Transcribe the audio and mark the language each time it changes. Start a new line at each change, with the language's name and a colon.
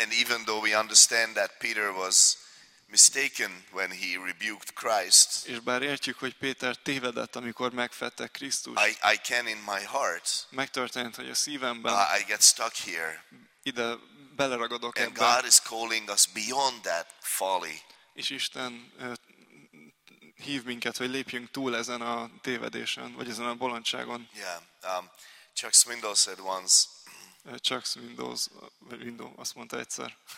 English: And even though we understand that Peter was mistaken when he rebuked Christ,
Hungarian: és bár értjük, hogy Péter tévedett, amikor megfette Krisztust,
English: I can in my heart.
Hungarian: Megtörtént, hogy a szívemben.
English: I get stuck here.
Hungarian: Ide beleragadok ebben.
English: And God is calling us beyond that folly.
Hungarian: És Isten hív minket, hogy lépjünk túl ezen a tévedésen, vagy ezen a bolondságon.
English: Yeah. Chuck Swindoll said once.
Hungarian: Chuck Swindoll azt mondta egyszer.